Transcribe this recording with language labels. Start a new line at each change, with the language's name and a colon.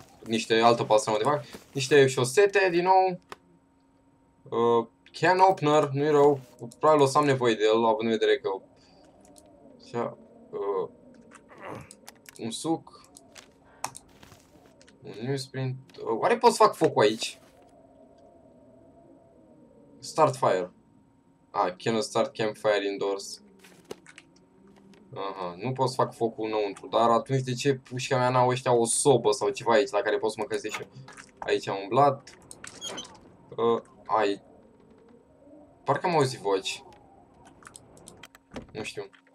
Romanian: Niște altă pastramă de vacă. Niște șosete, din nou. Can opener, nu-i rău. Probabil o să am nevoie de el, având în vedere că... Așa... un suc. Un newsprint. Oare pot să fac focul aici?
English: Start fire. Ah, cannot start campfire indoors.
Romanian: Aha, nu pot să fac focul înăuntru, dar atunci de ce pușca mea n-au ăștia o sobă sau ceva aici la care pot să mă căsesc eu? Aici am umblat. Ai... Parcă am auzit voci. Nu știu.